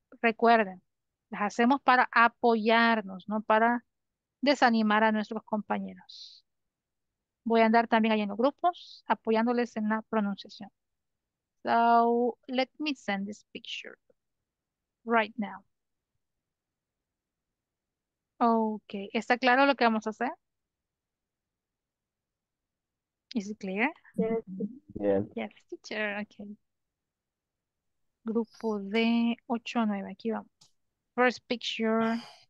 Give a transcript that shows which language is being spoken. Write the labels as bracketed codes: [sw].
[es] Recuerden, las hacemos para apoyarnos, no para desanimar a nuestros compañeros. Voy a andar también allá en los grupos, apoyándoles en la pronunciación. [en] So, let me send this picture right now. [es] Ok, ¿está claro lo que vamos a hacer? [en] Is it clear? Yes. Yes. Yes, teacher. [es] Okay. Grupo de 8 a 9. Aquí vamos. [en] First picture.